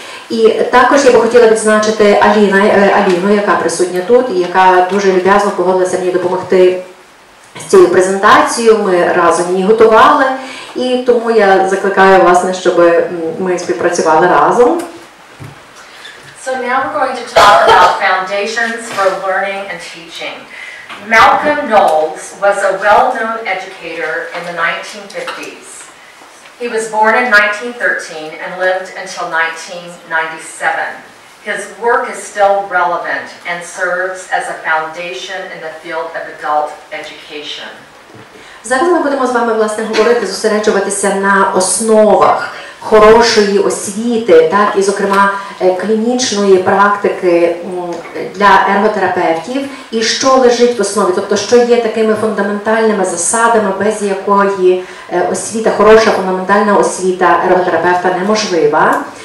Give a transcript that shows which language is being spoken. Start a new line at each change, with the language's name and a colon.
Ukrainian: І також я би хотіла відзначити Аліну, яка присутня тут, і яка дуже люб'язно погодилася мені допомогти з цією презентацією, ми разом її готували. І тому я закликаю вас, щоб ми співпрацювали разом.
English: So now we're going to talk about foundations for learning and teaching. Malcolm Knowles was a well-known educator in the 1950s. He was born in 1913 and lived until 1997. His work is still relevant and serves as a foundation in the field of adult education.
Ukrainian: Зараз ми будемо з вами, власне, говорити, зосереджуватися на основах хорошої освіти, так, і, зокрема, клінічної практики для ерготерапевтів, і що лежить в основі, тобто, що є такими фундаментальними засадами, без якої освіта, хороша фундаментальна освіта ерготерапевта неможлива.